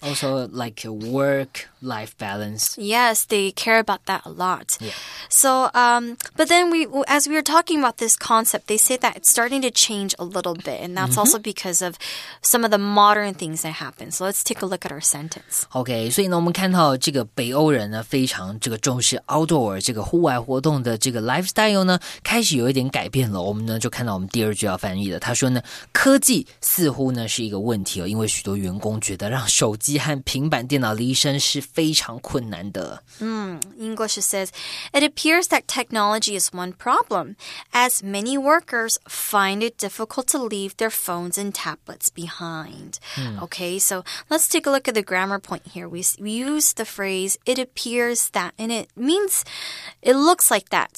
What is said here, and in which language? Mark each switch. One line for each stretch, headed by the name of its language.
English: Also, like work-life balance. Yes, they care about that a lot. Yeah. So, but then as we were talking about this concept, they say that it's starting to change a little bit. And that's mm-hmm. also because of some of the modern things that happen. So let's take a look at our sentence.
Chinese: Okay, 所以呢，我们看到这个北欧人呢，非常这个重视 outdoor 这个户外活动的这个 lifestyle 呢，开始有一点改变了。我们呢就看到我们第二句要翻译的，他说呢，科技似乎呢是一个问题，因为许多员工觉得让手机和平板电脑离身是非常困难的。
English: English says, it appears that technology is one problem, as many workers find it difficult to leave their phones and tablets behind. Okay, so let's take a look at the grammar point here. We use the phrase, it appears that, and it means it looks like that.